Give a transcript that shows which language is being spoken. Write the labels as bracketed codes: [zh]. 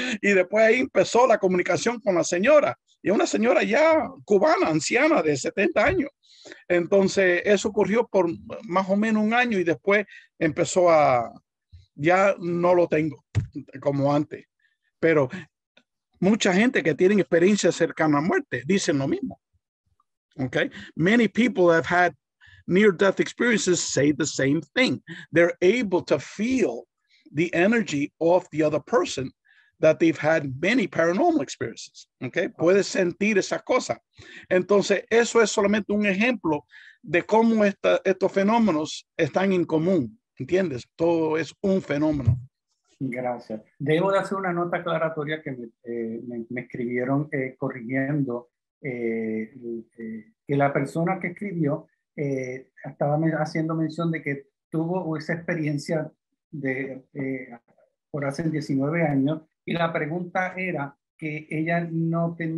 [es] Y después ahí empezó la comunicación con la señora, y una señora ya cubana, anciana de 70 años. Entonces eso ocurrió por más o menos un año y después empezó a, ya no lo tengo como antes, pero mucha gente que tiene experiencia cercana a muerte dicen lo mismo. [en] Okay, many people have had near death experiences say the same thing. They're able to feel the energy of the other person that they've had many paranormal experiences. [es] Okay, puede sentir esa cosa. Entonces, eso es solamente un ejemplo de cómo estos fenómenos están en común. ¿Entiendes? Todo es un fenómeno. Gracias. Debo de hacer una nota aclaratoria que me escribieron corrigiendo que la persona que escribió estaba haciendo mención de que tuvo esa experiencia de por hace 19 años y la pregunta era que ella no